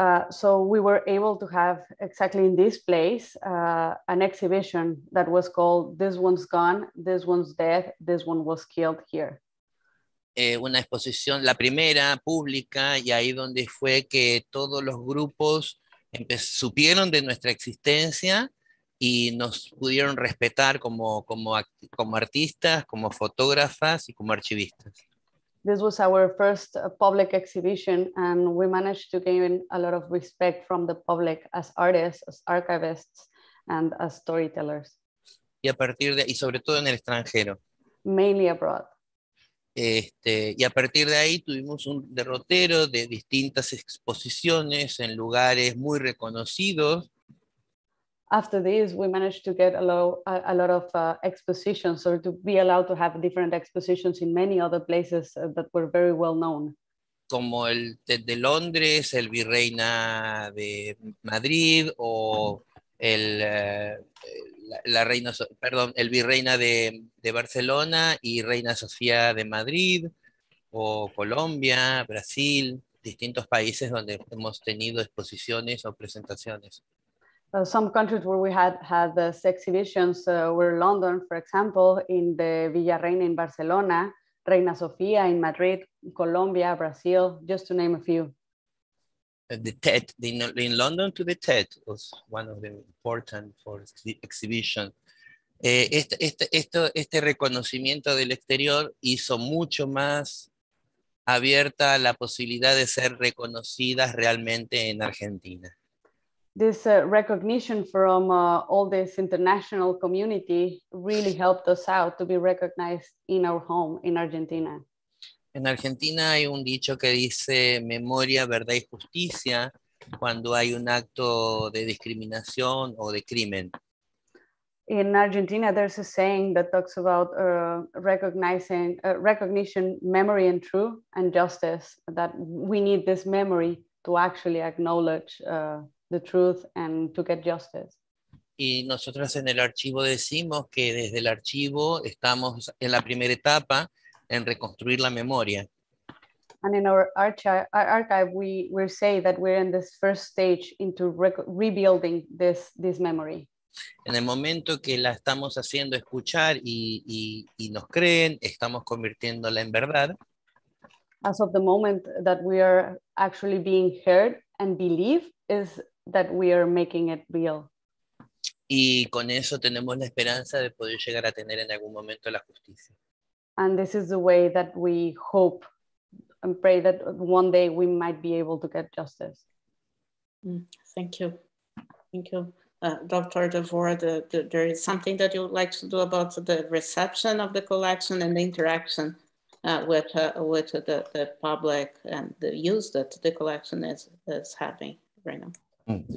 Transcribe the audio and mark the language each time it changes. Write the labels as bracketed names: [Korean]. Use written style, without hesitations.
[English] So we were able to have exactly in this place an exhibition that was called This One's Gone, This One's Dead, This One Was Killed Here. [Spanish] Una exposición, la primera, pública, y ahí donde fue que todos los grupos supieron de nuestra existencia y nos pudieron respetar como artistas, como fotógrafas y como archivistas. [English] This was our first public exhibition, and we managed to gain a lot of respect from the public as artists, as archivists, and as storytellers. [Spanish] Y a partir de, y sobre todo en el extranjero. [English] Mainly abroad. [Spanish] Y a partir de ahí tuvimos un derrotero de distintas exposiciones en lugares muy reconocidos. [English] After this, we managed to get a lot of expositions, or to be allowed to have different expositions in many other places that were very well known. [Spanish] Como el TED de Londres, el Virreina de Madrid, o el el Virreina de Barcelona y Reina Sofía de Madrid, o Colombia, Brasil, distintos países donde hemos tenido exposiciones o presentaciones. [English] Some countries where we had these exhibitions were London, for example, in the Villa Reina in Barcelona, Reina Sofía in Madrid, Colombia, Brazil, just to name a few. The TED in London to the TED was one of the important for exhibition. [Spanish] Este reconocimiento del exterior hizo mucho más abierta la posibilidad de ser reconocidas realmente en Argentina. [English] This recognition from all this international community really helped us out to be recognized in our home, in Argentina. [Spanish] En Argentina hay un dicho que dice memoria, verdad y justicia cuando hay un acto de discriminación o de crimen. [English] In Argentina, there's a saying that talks about recognition, memory and truth and justice, that we need this memory to actually acknowledge the truth and to get justice. [Spanish] Y nosotros en el archivo decimos que desde el archivo estamos en la primera etapa en reconstruir la memoria. [English] And in our archive we say that we're in this first stage into rebuilding this memory. [Spanish] En el momento que la estamos haciendo escuchar y nos creen, estamos convirtiéndola en verdad. [English] As of the moment that we are actually being heard and believe is that we are making it real. [Spanish] Y con eso tenemos la esperanza de poder llegar a tener en algún momento la justicia. [English] And this is the way that we hope and pray that one day we might be able to get justice. Thank you. Dr. Devor, there is something that you would like to do about the reception of the collection and the interaction with the public and the use that the collection is having right now.